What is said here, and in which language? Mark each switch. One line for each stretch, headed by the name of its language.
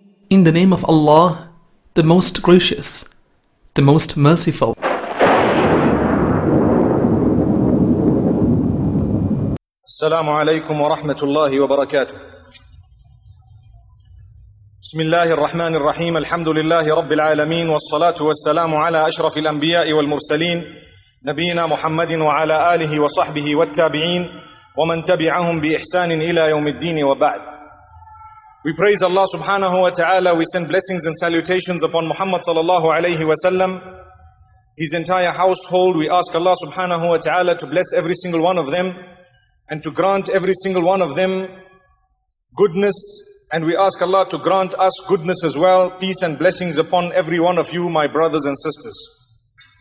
English: In the name of Allah, the Most Gracious, the Most Merciful.
Arabic: السلام عليكم ورحمة الله وبركاته. بسم الله الرحمن الرحيم. الحمد لله رب العالمين والصلاة والسلام على أشرف الأنبياء والمرسلين نبينا محمد وعلى آله وصحبه والتابعين ومن تبعهم بإحسان إلى يوم الدين وبعد.
English: We praise Allah subhanahu wa ta'ala. We send blessings and salutations upon Muhammad sallallahu alayhi wa sallam, his entire household. We ask Allah subhanahu wa ta'ala to bless every single one of them and to grant every single one of them goodness. And we ask Allah to grant us goodness as well, peace and blessings upon every one of you, my brothers and sisters.